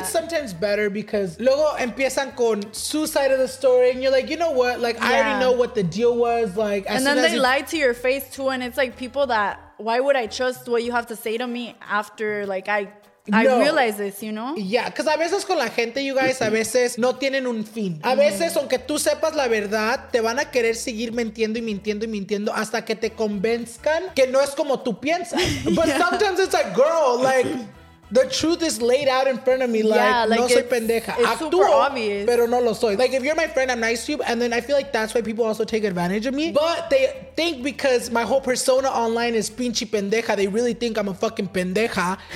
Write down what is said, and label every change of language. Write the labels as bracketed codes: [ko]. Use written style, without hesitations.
[en] It's sometimes better because [es] luego empiezan con su [en] side of the story and you're like, you know what? Like, yeah, I already know what the deal was. Like, as and then soon they as lie to your face too. And it's like, people that, why would I trust what you have to say to me after, like, I realize this, you know? Yeah, because [es] a veces con la gente, [en] you guys, [es] a veces no tienen un fin. A veces, aunque tú sepas la verdad, te van a querer seguir mintiendo y mintiendo y mintiendo hasta que te convenzcan que no es como tú piensas. [en] But yeah, sometimes it's like, girl, like, the truth is laid out in front of me. Like, yeah, like [es] no soy pendeja. [en] It's [es] actúo, [en] super obvious. [es] Pero no lo soy. [en] Like, if you're my friend, I'm nice to you. And then I feel like that's why people also take advantage of me. But they think because my whole persona online is [es] pinche pendeja, [en] they really think I'm a fucking pendeja.